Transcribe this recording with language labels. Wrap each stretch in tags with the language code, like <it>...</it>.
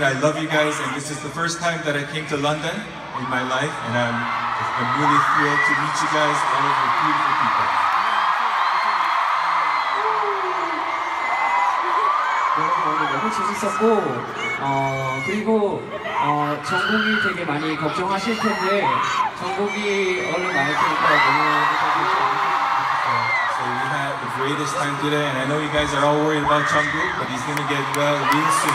<en>I love you guys, and this is the first time that I came to London. In my life, and I'm really thrilled to meet you guys, all of the beautiful people.</en> <ko>여러분 오늘 너무 재밌었고, 그리고 정국이 되게 많이 걱정하실 텐데, 정국이 얼른 나을 테니까 너무</ko> <en>So we had the greatest time today, and I know you guys are all worried about Jungkook, but he's gonna get well real soon.</en>